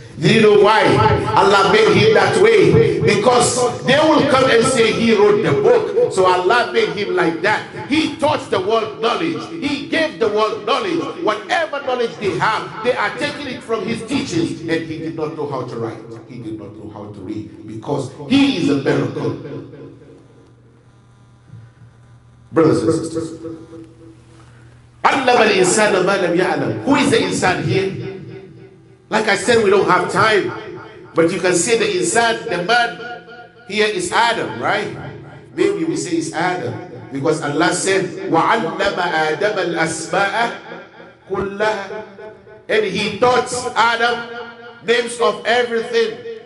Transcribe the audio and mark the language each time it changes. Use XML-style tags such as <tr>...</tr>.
<en>Do you know why Allah made him that way? Because they will come and say he wrote the book. So Allah made him like that. He taught the world knowledge. He gave the world knowledge. Whatever knowledge they have, they are taking it from his teachings. And he did not know how to write. He did not know how to read. Because he is a miracle. Brothers and sisters,</en> <ar>عَلَّمَ الْإِنسَانَ مَا لَمْ يَعْلَمُ.</ar> <en>Who is the insan here? Like I said, we don't have time, but you can see the insan, the man here is Adam, right? Maybe we say it's Adam because Allah said,</en> <ar>وَعَلَّمَ آدَمَ الْأَسْمَاءَ كُلَّهَا.</ar> <en>And he taught Adam names of everything.</en>